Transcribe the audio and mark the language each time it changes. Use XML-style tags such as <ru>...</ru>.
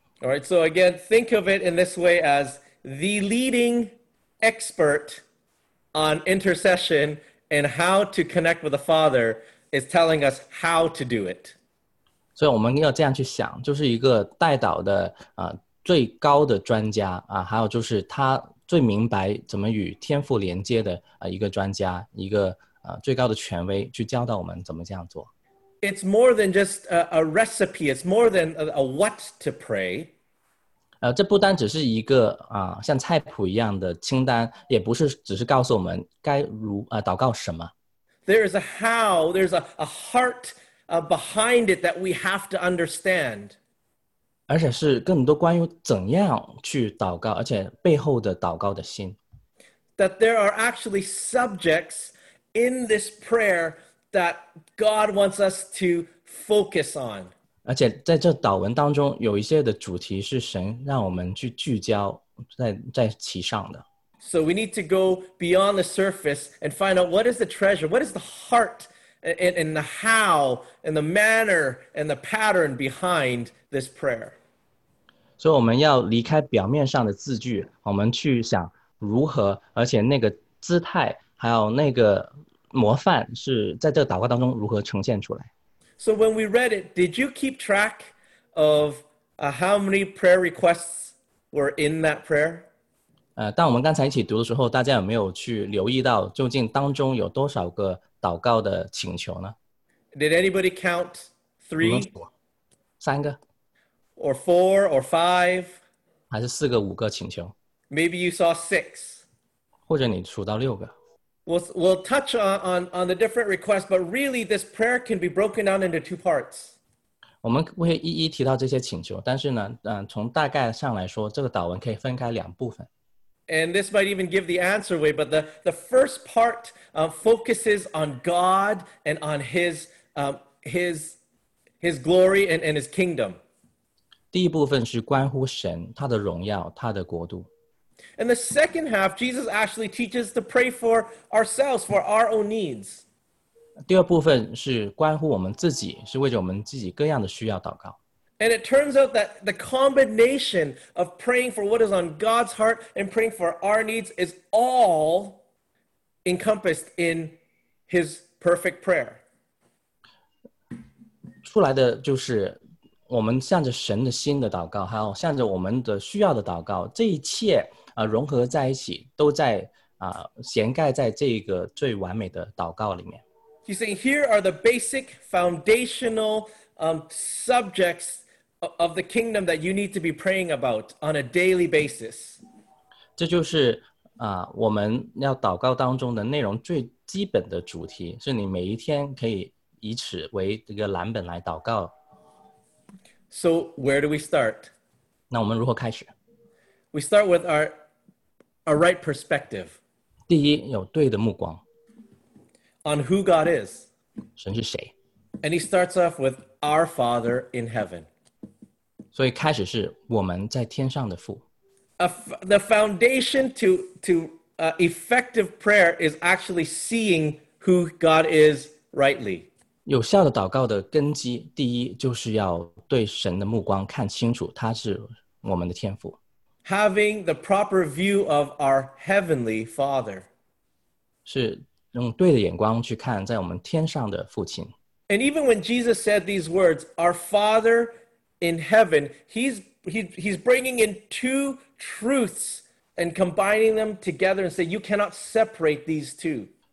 <en>All right, so again, think of it in this way as the leading expert on intercession. And how to connect with the Father is telling us how to do it. So we need to think like this. He is the most experienced leader, and also he is the most understanding how to connect with the Father, the most experienced leader to teach us how to do it. It's more than just a recipe. It's more than a what to pray.</en> <zh>这不单只是一个像菜谱一样的清单，也不是只是告诉我们该如祷告什么。</zh> <en>There is a how, there's a heart behind it that we have to understand.</en> <zh>而且是更多关于怎样去祷告，而且背后的祷告的心。</zh> <en>That there are actually subjects in this prayer that God wants us to focus on.</en> <zh>而且在这祷文当中有一些的主题是神让我们去聚焦 在其上的。</zh> <en>So we need to go beyond the surface and find out what is the treasure, what is the heart and the how and the manner and the pattern behind this prayer.</en> <zh>所以我们要离开表面上的字句，我们去想如何，而且那个姿态还有那个模范是在这祷告当中如何呈现出来。</zh> <en>So when we read it, did you keep track of how many prayer requests were in that prayer?</en> <zh>当我们刚才一起读的时候，大家有没有去留意到究竟当中有多少个祷告的请求呢？</zh> <en>Did anybody count three?</en> <zh>三个。</zh> <en>Or four or five?</en> <zh>还是四个五个请求。</zh> <en>Maybe you saw six.</en> <zh>或者你数到六个。</zh> <en>We'll touch on the different requests, but really this prayer can be broken down into two parts.</en> <zh>我们会一一提到这些请求，但是呢，从大概上来说，这个祷文可以分开两部分。</zh> <en>And this might even give the answer away, but the first part focuses on God and on his glory and his kingdom.</en> <zh>第一部分是关乎神、他的荣耀、他的国度。</zh> <en>In the second half, Jesus actually teaches to pray for ourselves, for our own needs.</en> <zh>第二部分是关乎我们自己，是为着我们自己各样的需要祷告。</zh> <en>And it turns out that the combination of praying for what is on God's heart and praying for our needs is all encompassed in His perfect prayer.</en> <zh>出来的就是我们向着神的心的祷告，还有向着我们的需要的祷告，这一切融合在一起，都在涵盖在这个最完美的祷告里面。</zh> <en>He's saying here are the basic foundational subjects of the kingdom that you need to be praying about on a daily basis.</en> <zh>这就是我们要祷告当中的内容最基本的主题，是你每一天可以以此为这个蓝本来祷告。</zh> <en>So where do we start?</en> <zh>那我们如何开始？</zh> <en>We start with our right perspective.</en> <zh>第一，有对的目光。</zh> <en>On who God is.</en> <zh>神是谁？</zh> <en>And he starts off with our Father in heaven.</en> <zh>所以开始是我们在天上的父。</zh> <en>The foundation to effective prayer is actually seeing who God is rightly.</en> <zh>有效的祷告的根基，第一就是要对神的目光看清楚，他是我们的天父。</zh> <en>Having the proper view of our heavenly Father.</en> <zh>是用对的眼光去看在我们天上的父亲。</zh> <en>And even when Jesus said these words, our Father in heaven, he's bringing in two truths and combining them together and say, you cannot separate these two.</en>